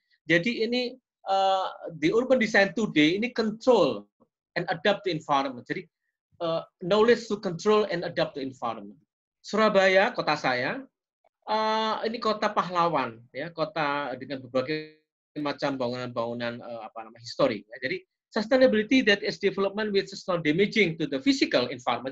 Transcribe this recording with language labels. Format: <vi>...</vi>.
<id>Jadi ini</id> <en>the urban design today ini control and adapt the environment.</en> <id>Jadi</id> <en>knowledge to control and adapt the environment.</en> <id>Surabaya, kota saya, ini kota pahlawan ya, kota dengan berbagai macam bangunan-bangunan histori. Ya. Jadi</id> <en>sustainability that is development which is not damaging to the physical environment.</en>